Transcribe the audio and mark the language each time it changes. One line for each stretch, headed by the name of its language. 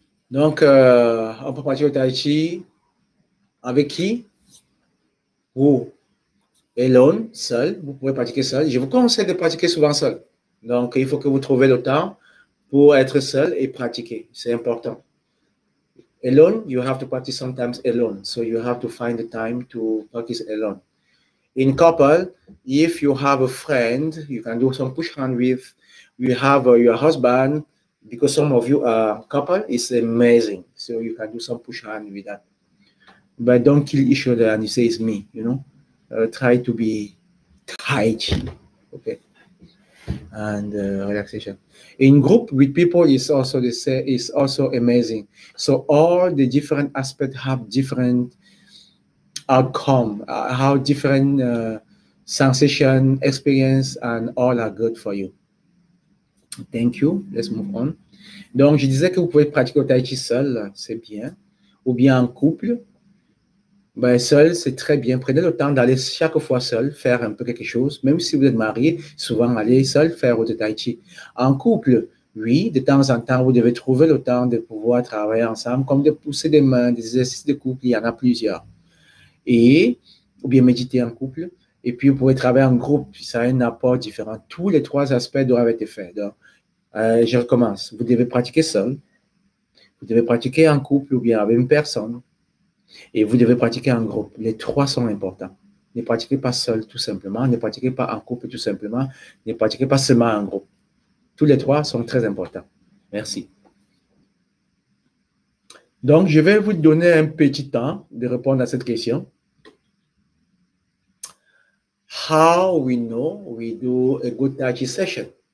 French: Donc, on peut partir au Tai Chi. Avec qui? Vous. Elon, seul. Vous pouvez pratiquer seul. Je vous conseille de pratiquer souvent seul. Donc, il faut que vous trouviez le temps pour être seul et pratiquer. C'est important.
English: Alone, you have to practice sometimes alone. So, you have to find the time to practice alone. In couple, if you have a friend, you can do some push hand with. You have your husband. Because some of you are couple, it's amazing. So you can do some push hand with that. But don't kill each other and you say it's me, you know. Try to be Tai Chi, okay. And relaxation. In group with people is also the same, is also amazing. So all the different aspects have different outcome, how different sensation, experience, and all are good for you. Thank you. Let's move on.
French: Donc, je disais que vous pouvez pratiquer le Tai Chi seul, c'est bien. Ou bien en couple. Ben, seul, c'est très bien. Prenez le temps d'aller chaque fois seul, faire un peu quelque chose. Même si vous êtes marié, souvent, allez seul faire votre Tai Chi. En couple, oui, de temps en temps, vous devez trouver le temps de pouvoir travailler ensemble, comme de pousser des mains, des exercices de couple, il y en a plusieurs. Et, ou bien méditer en couple. Et puis, vous pouvez travailler en groupe. Ça a un apport différent. Tous les trois aspects doivent être faits. Donc, je recommence. Vous devez pratiquer seul. Vous devez pratiquer en couple ou bien avec une personne. Et vous devez pratiquer en groupe. Les trois sont importants. Ne pratiquez pas seul, tout simplement. Ne pratiquez pas en couple, tout simplement. Ne pratiquez pas seulement en groupe. Tous les trois sont très importants. Merci. Donc, je vais vous donner un petit temps de répondre à cette question.
English: How we know we do a good Tai Chi session?